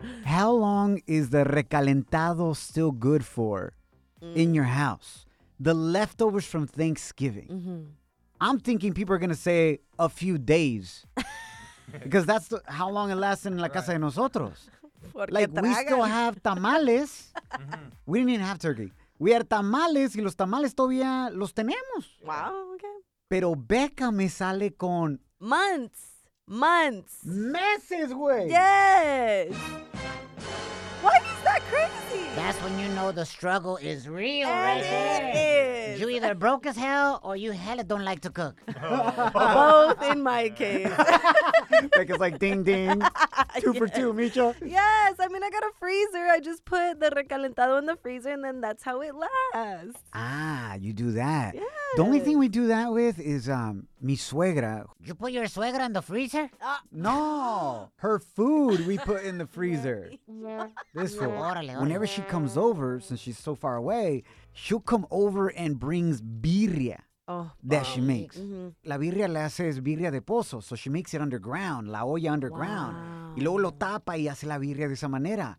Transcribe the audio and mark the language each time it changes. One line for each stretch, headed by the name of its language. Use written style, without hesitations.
English: How long is the recalentado still good for in your house? The leftovers from Thanksgiving. Mm-hmm. I'm thinking people are going to say a few days because that's how long it lasts in
Spanish: La Casa de Nosotros. Porque
English: like,
Spanish: tragan.
English: We still have tamales. We didn't even have turkey. We had tamales,
Spanish: y los tamales todavía los tenemos.
English: Wow, okay.
Spanish: Pero Becca me sale con...
English: Months.
Spanish: Meses, güey.
English: Yes. Why is that crazy? That's when you know the struggle is real, and right? It is. You either broke as hell or you hella don't like to cook. Oh. Both in my case. Like it's like ding ding. Two yes. For two, Micho. Yes, I mean I got a freezer. I just put the recalentado in the freezer and then that's how it lasts. Ah, you do that. Yes. The only thing we do that with is
Spanish: mi suegra.
English: You put your suegra in the freezer? No. Her food we put in the freezer. This fool. Whenever she comes over, since she's so far away, she'll come over and brings birria that she makes. Mm-hmm.
Spanish: La birria la hace es birria de pozo,
English: so she makes it underground,
Spanish: la olla
English: underground. Wow.
Spanish: Y luego lo tapa y hace la birria de esa manera.